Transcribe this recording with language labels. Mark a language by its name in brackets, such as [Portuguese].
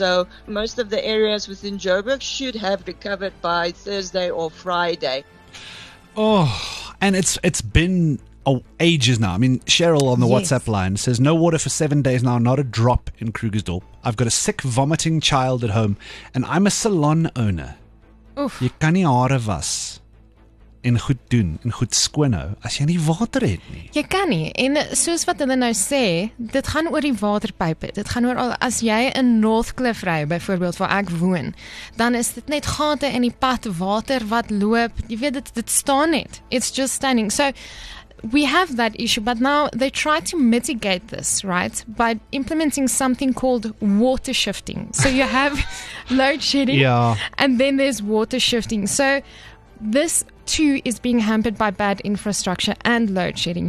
[English] So most of the areas within Joburg should have recovered by Thursday or Friday. Oh, and it's been ages now. I mean, Cheryl on the WhatsApp line says, no water for 7 days now, not a drop in Krugersdorp. I've got a sick, vomiting child at home, and I'm a salon owner. Oof. [Afrikaans] Jy kan nie hare was en goed doen en goed skoon hou as jy nie water het nie. Jy kan nie. En soos wat hulle nou sê, dit gaan oor die waterpype. Dit gaan oor al, as jy in Northcliff ry, byvoorbeeld waar ek woon, dan is dit net gate in die pad, water wat loop. Jy weet, dit staan net. [English] It's just standing. So we have that issue, but now they try to mitigate this, right, by implementing something called water shifting. So you have load shedding, yeah, and then there's water shifting. So this, too, is being hampered by bad infrastructure and load shedding.